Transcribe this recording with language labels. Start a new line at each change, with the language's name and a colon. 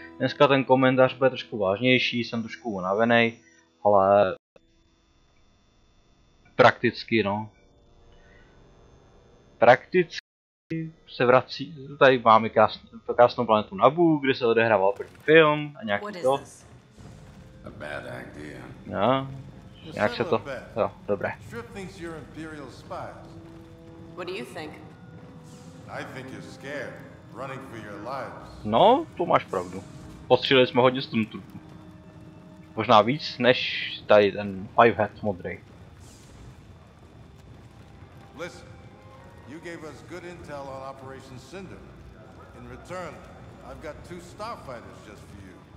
Czech: Dneska ten komentář bude trošku vážnější, jsem trošku unavený, ale prakticky, no. Prakticky se vrací, tady máme krásnou planetu Navu, kde se odehrával první film a nějaký to.
English: A bad idea.
Czech: No, jak se to? Jo, dobré.
English: Trip thinks you're imperial spies. What do you think? I think you're scared, running for your lives.
Czech: No, tu máš pravdu. Postřelili jsme hodně stuntů. Možná víc než tady ten Fivehead modrý.
English: Listen, you gave us good intel on Operation Cinder. In return, I've got two starfighters just for you.